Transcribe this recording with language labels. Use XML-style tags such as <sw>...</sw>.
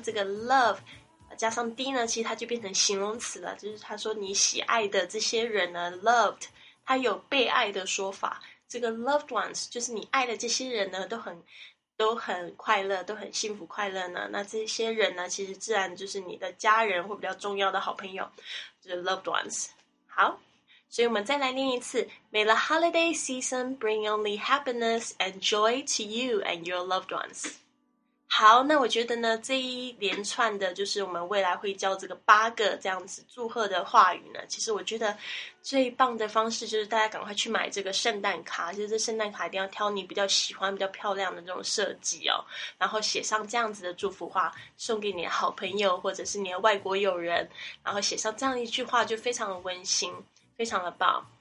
<zh>这个 love 加上 d 呢，其实它就变成形容词了，就是他说你喜爱的这些人呢， loved， 它有被爱的说法。这个 loved ones 就是你爱的这些人呢，都很快乐，都很幸福快乐呢。那这些人呢，其实自然就是你的家人或比较重要的好朋友，就是 loved ones。好，所以我们再来念一次。</zh> <en>May the holiday season bring only happiness and joy to you and your loved ones.</en> <zh>好，那我觉得呢，这一连串的就是我们未来会教这个八个这样子祝贺的话语呢，其实我觉得最棒的方式就是大家赶快去买这个圣诞卡，就是这圣诞卡一定要挑你比较喜欢、比较漂亮的这种设计哦，然后写上这样子的祝福话，送给你的好朋友或者是你的外国友人，然后写上这样一句话，就非常的温馨，非常的棒。</zh>